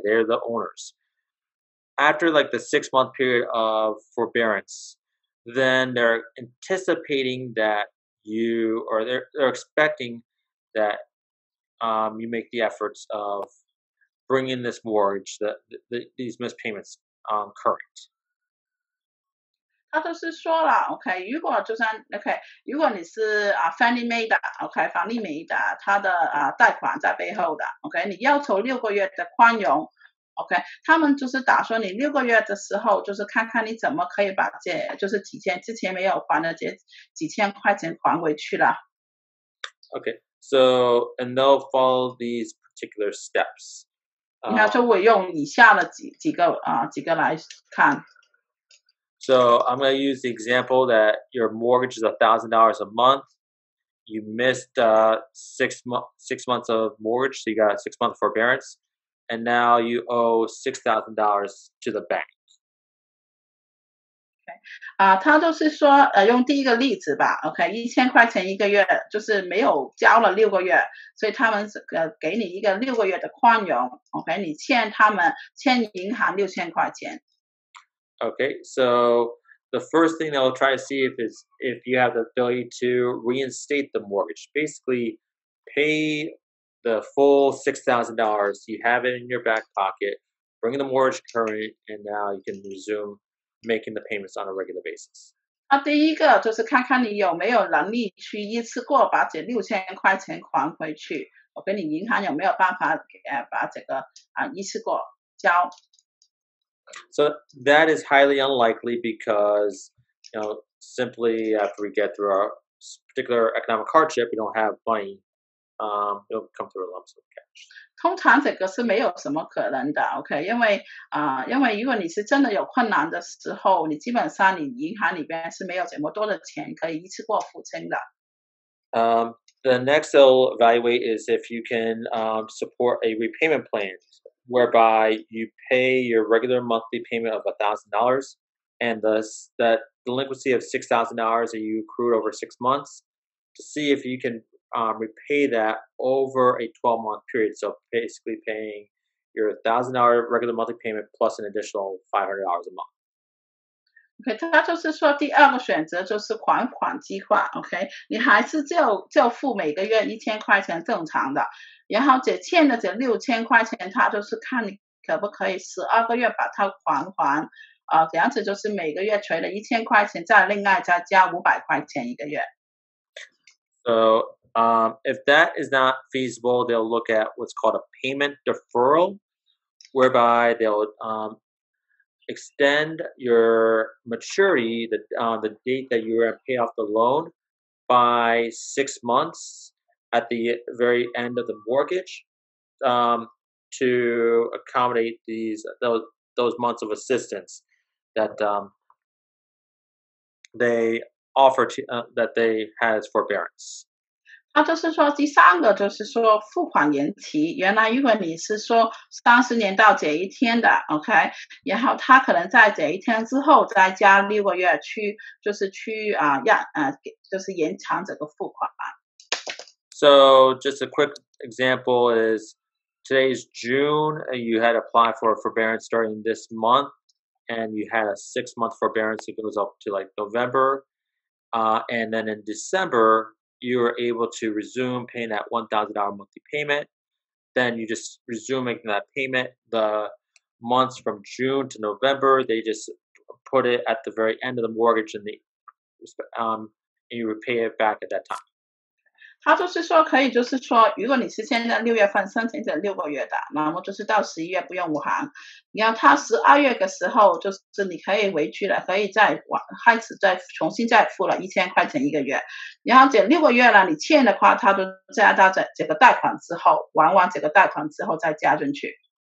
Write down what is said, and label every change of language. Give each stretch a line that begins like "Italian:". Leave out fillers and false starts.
English: They're the owners. After like the 6 month period of forbearance, then they're anticipating that you, or they're expecting that you make the efforts of bringing this mortgage, these missed payments, current.
Chinese: 他就是说了 ，OK， 如果就算 OK， 如果你是啊 Fannie Mae 的 ，OK， 房利美的，他的啊贷款在背后的 ，OK， 你要求六个月的宽容 ，OK， 他们就是打算你六个月的时候，就是看看你怎么可以把这就是几千之前没有还的这几千块钱还回去了。
English: OK， so and they'll follow these particular steps.
Chinese: 你要就我用以下的几个啊几个来看。
English: So I'm going to use the example that your mortgage is $1,000 a month. You missed six months of mortgage, so you got a 6 month forbearance, and now you owe $6,000 to the bank. Okay.
Chinese: 他就是说，用第一个例子吧。Okay, 1000块钱一个月，就是没有交了六个月，所以他们给你一个六个月的宽容。 Okay, 你欠他们欠银行6000块钱。
English: Okay, so the first thing they'll try to see if is if you have the ability to reinstate the mortgage. Basically, pay the full $6,000. You have it in your back pocket. Bring the mortgage current, and now you can resume making the payments on a regular basis.
Chinese: 那第一个就是看看你有没有能力去一次过把这6000块钱还回去。我跟你银行有没有办法把这个一次过交？
English: So that is highly unlikely because, you know, simply after we get through our particular economic hardship, we don't have money. It'll come through a lump sum of cash.
Chinese: 通常这个是没有什么可能的 ，OK？ 因为因为如果你是真的有困难的时候，你基本上你银行里边是没有这么多的钱可以一次过付清的。
English: The next they'll evaluate is if you can support a repayment plan. Whereby you pay your regular monthly payment of $1,000, and thus that delinquency of $6,000 that you accrued over 6 months, to see if you can repay that over a 12-month period. So basically, paying your $1,000 regular monthly payment plus an additional $500 a month.
Chinese: Okay, 他就是说第二个选择就是还款计划。 Okay, 你还是就付每个月1000块钱正常的。然后这欠的这6000块钱，他就是看你可不可以12个月把它还完，这样子就是每个月除了1000块钱，再另外再加500块钱一个月。
English: So, if that is not feasible, they'll look at what's called a payment deferral, whereby they'll extend your maturity, the date that you're going to pay off the loan, by 6 months. At the very end of the mortgage, to accommodate those months of assistance that they offer to that they has forbearance.
Chinese: 那就是说第三个就是说付款延期。原来如果你是说30年到这一天的 ，OK， 然后他可能在这一天之后再加6个月就是延长这个付款。
English: So just a quick example is today's June and you had applied for a forbearance starting this month and you had a 6 month forbearance that goes up to like November. And then in December, you were able to resume paying that $1,000 monthly payment. Then you just resume making that payment. The months from June to November, they just put it at the very end of the mortgage and you repay it back at that time.
Chinese: 他就是说可以就是说如果你是现在六月份申请这六个月的那么就是到十一月不用还你要他十二月的时候就是你可以回去了可以再开始再重新再付了1000块钱一个月然后这六个月了你欠的话他就再加到这个贷款之后还完这个贷款之后再加进去。